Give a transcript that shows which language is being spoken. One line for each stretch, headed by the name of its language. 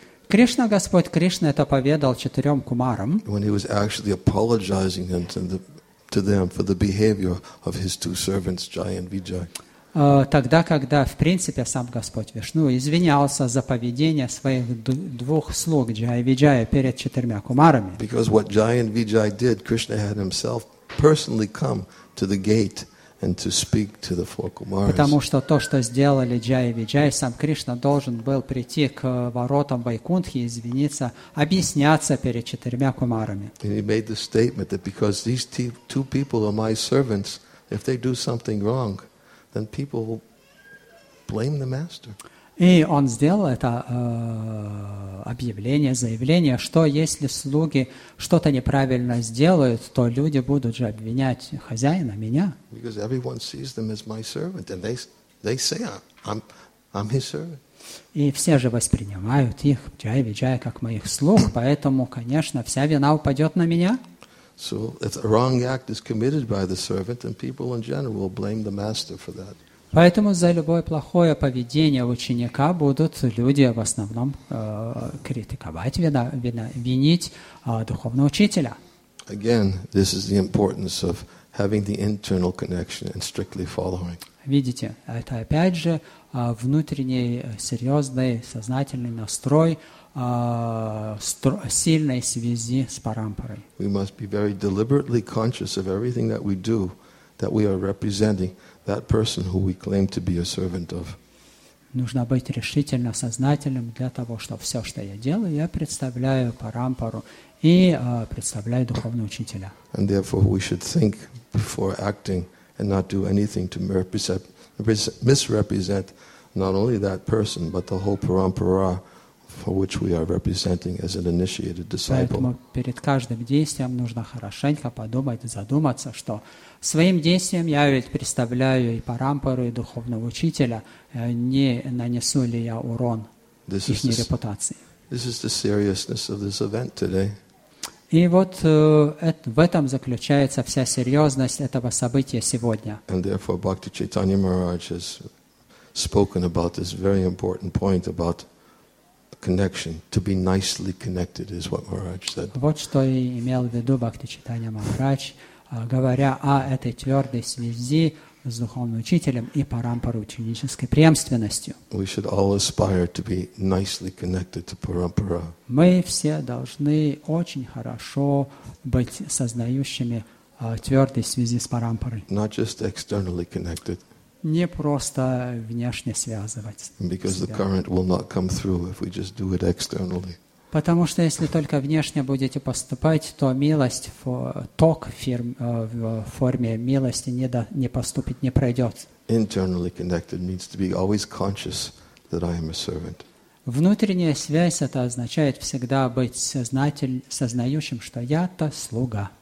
Russian: Кришна, Господь Кришна это поведал четырем кумарам.
English: When he was actually apologizing to them for the behavior of his two servants, Jaya and Vijaya.
Russian: Тогда, когда, в принципе, сам Господь Вишну извинялся за поведение своих двух слуг, Джая и Виджая, перед четырьмя кумарами.
English: Because what Jaya and Vijaya did, Krishna had himself personally come to the gate and to speak to the four Kumaras.
Russian: Потому что то, что сделали Джай и Виджай, сам Кришна должен был прийти к воротам Вайкунтхи, извиниться, объясняться перед четырьмя кумарами.
English: And he made the statement that because these two people are my servants, if they do something wrong, then people will blame the master.
Russian: И он сделал это объявление, заявление, что если слуги что-то неправильно сделают, то люди будут же обвинять хозяина, меня.
English: Because everyone sees them as my servant, and they say I'm his servant.
Russian: И все же воспринимают их, Джая и Виджая, как моих слуг, поэтому, конечно, вся вина упадет на меня.
English: So if a wrong act is committed by the servant, then people in general will blame the master for that.
Russian: Поэтому за любое плохое поведение ученика будут люди в основном критиковать, винить духовного учителя.
English: Again, this is the importance of having the internal connection and strictly following.
Russian: Видите, это опять же внутренний серьезный сознательный настрой сильной связи с парампарой.
English: We must be very deliberately conscious of everything that we do, that we are representing that person who we claim to be a servant of.
Russian: Нужно быть решительно сознательным для того, чтобы все, что я делаю, я представляю парампару и представляю духовного учителя.
English: And therefore we should think before acting and not do anything to misrepresent not only that person, but the whole parampara for which we are representing as an initiated disciple.
Russian: Поэтому перед каждым действием нужно хорошенько подумать, задуматься, что своим действием я ведь представляю и парампару, и духовного учителя, не нанесу ли я урон их репутации.
English: This is the seriousness of this event today.
Russian: И вот в этом заключается вся серьезность этого события сегодня.
English: And therefore Bhakti Chaitanya Maharaj has spoken about this very important point about connection, to be nicely connected, is what Maharaj said.
Russian: Вот что и имел в виду Бхакти Чайтанья Махарадж, говоря о этой твердой связи с духовным учителем и парампарой, ученической преемственностью.
English: We should all aspire to be nicely connected to Parampara.
Russian: Мы все должны очень хорошо быть сознающими твердой связи с парампарой.
English: Not just externally connected.
Russian: Не просто внешне связывать.
English: Because the current will not come through if we just do it externally.
Russian: Потому что если только внешне будете поступать, то милость, ток в форме милости не поступит, не пройдет.
English: Internally connected means to be always conscious that I am a servant.
Russian: Внутренняя связь — это означает всегда быть сознающим, что я-то слуга.